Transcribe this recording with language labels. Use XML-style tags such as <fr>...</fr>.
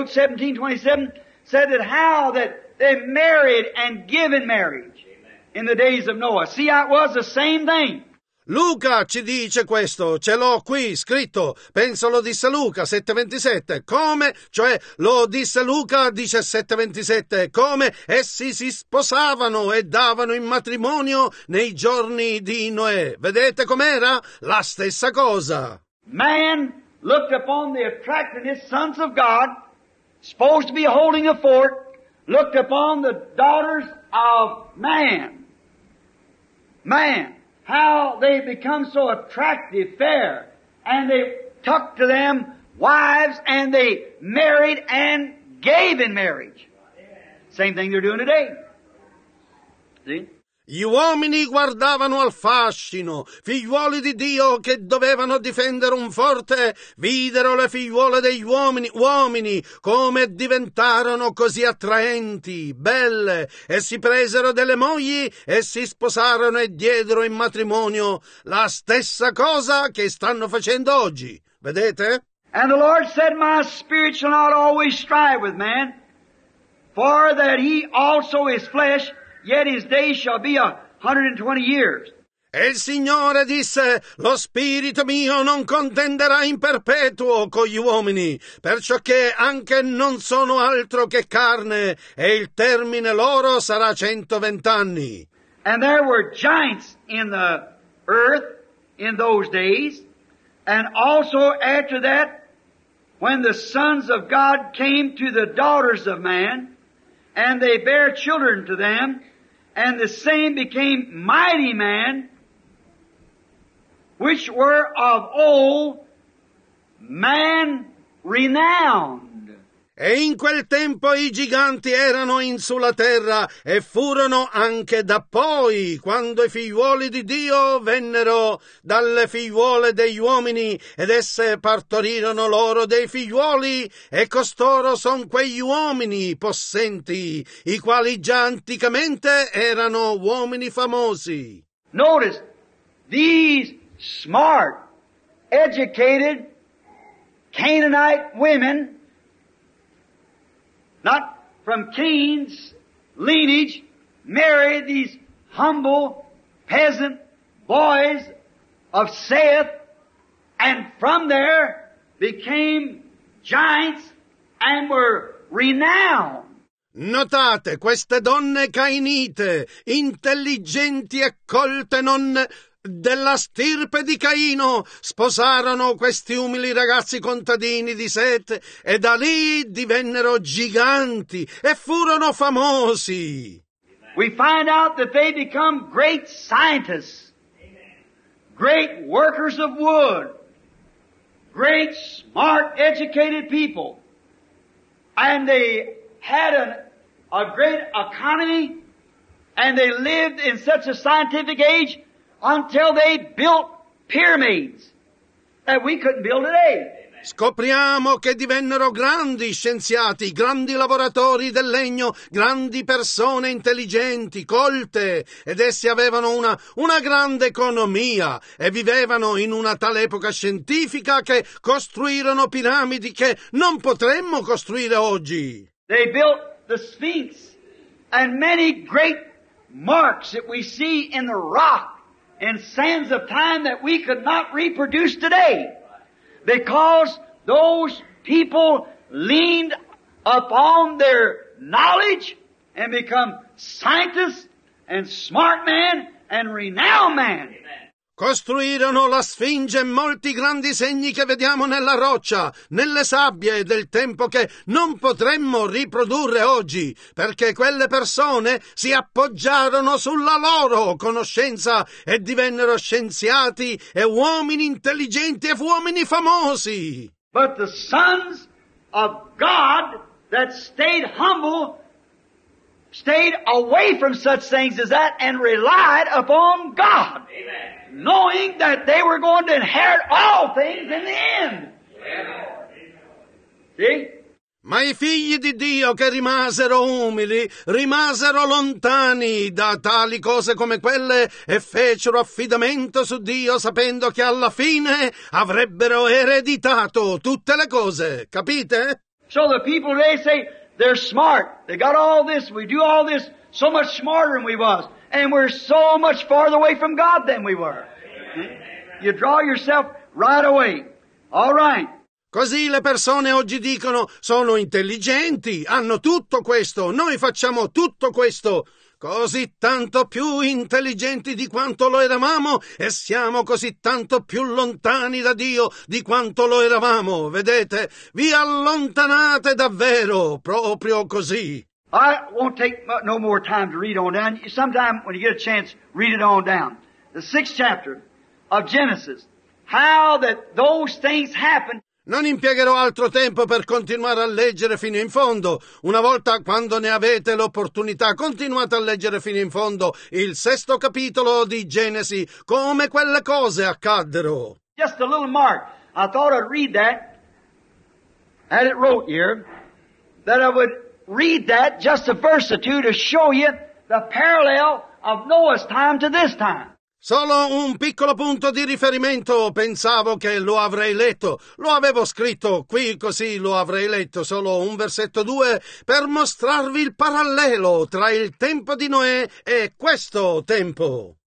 <en>Luke 17:27 said that they married and given marriage in the days of Noah. See how it was the same thing.</en> <it>Luca ci dice questo, ce l'ho qui scritto, penso lo disse Luca, 7:27, come, cioè lo disse Luca, 17:27, come essi si sposavano e davano in matrimonio nei giorni di Noè. Vedete com'era? La stessa cosa.</it> <en>Man looked upon the attractiveness, sons of God, supposed to be holding a fort, looked upon the daughters of man. Man, how they become so attractive, fair, and they took to them wives, and they married and gave in marriage. Same thing they're doing today. See?</en> <it>Gli uomini guardavano al fascino, figliuoli di Dio che dovevano difendere un forte, videro le figliuole degli uomini, uomini, come diventarono così attraenti, belle, e si presero delle mogli e si sposarono e diedero in matrimonio la stessa cosa che stanno facendo oggi. Vedete?</it> <en>And the Lord said, my spirit shall not always strive with man, for that he also is flesh, yet his days shall be 120 years.</en> <it>E il Signore disse, lo spirito mio non contenderà in perpetuo con gli uomini, perciò che anche non sono altro che carne, e il termine loro sarà 120 anni.</it> <en>And there were giants in the earth in those days, and also after that, when the sons of God came to the daughters of man, and they bare children to them, and the same became mighty men, which were of old man renowned.</en> <it>E in quel tempo i giganti erano in sulla terra, e furono anche da poi, quando i figliuoli di Dio vennero dalle figliuole degli uomini, ed esse partorirono loro dei figliuoli, e costoro son quegli uomini possenti, i quali già anticamente erano uomini famosi.</it> <en>Notice, these smart, educated, Canaanite women, not from Cain's lineage, married these humble peasant boys of Seth, and from there became giants and were renowned.</en> <it>Notate, queste donne cainite, intelligenti e colte nonne della stirpe di Caino, sposarono questi umili ragazzi contadini di Set, e da lì divennero giganti e furono famosi.</it> <en>We find out that they become great scientists, great workers of wood, great smart educated people, and they had a great economy, and they lived in such a scientific age until they built pyramids that we couldn't build today.</en> <it>Scopriamo che divennero grandi scienziati, grandi lavoratori del legno, grandi persone intelligenti, colte, ed essi avevano una grande economia e vivevano in una tale epoca scientifica che costruirono piramidi che non potremmo costruire oggi.</it> <en>They built the Sphinx and many great marks that we see in the rock and sands of time that we could not reproduce today, because those people leaned upon their knowledge and become scientists and smart men and renowned men.</en> <it>Costruirono la Sfinge e molti grandi segni che vediamo nella roccia, nelle sabbie del tempo che non potremmo riprodurre oggi, perché quelle persone si appoggiarono sulla loro conoscenza e divennero scienziati e uomini intelligenti e uomini famosi.</it> <en>But the sons of God that stayed humble stayed away from such things as that and relied upon God. Amen. Knowing that they were going to inherit all things in the end. See?</en> <it>Ma i figli di Dio che rimasero umili, rimasero lontani da tali cose come quelle e fecero affidamento su Dio sapendo che alla fine avrebbero ereditato tutte le cose. Capite?</it> <en>So the people today say they're smart. They got all this. We do all this so much smarter than we was. And we're so much farther away from God than we were. You draw yourself right away. All right.</en> <it>Così le persone oggi dicono, sono intelligenti, hanno tutto questo, noi facciamo tutto questo, così tanto più intelligenti di quanto lo eravamo e siamo così tanto più lontani da Dio di quanto lo eravamo. Vedete, vi allontanate davvero, proprio così.</it> <en>I won't take no more time to read on down. Sometime when you get a chance, read it on down. The sixth chapter of Genesis. How that those things happened.</en> <it>Non impiegherò altro tempo per continuare a leggere fino in fondo. Una volta quando ne avete l'opportunità, continuate a leggere fino in fondo il sesto capitolo di Genesi, come quelle cose accaddero.</it> <en>Just a little mark. I thought I'd read that. Had it wrote here. That I would read that just a verse or two to show you the parallel of Noah's time to this time.</en> <it>Solo un piccolo punto di riferimento, pensavo che lo avrei letto. Lo avevo scritto qui, così lo avrei letto, solo un versetto 2, per mostrarvi il parallelo tra il tempo di Noè e questo tempo.</it>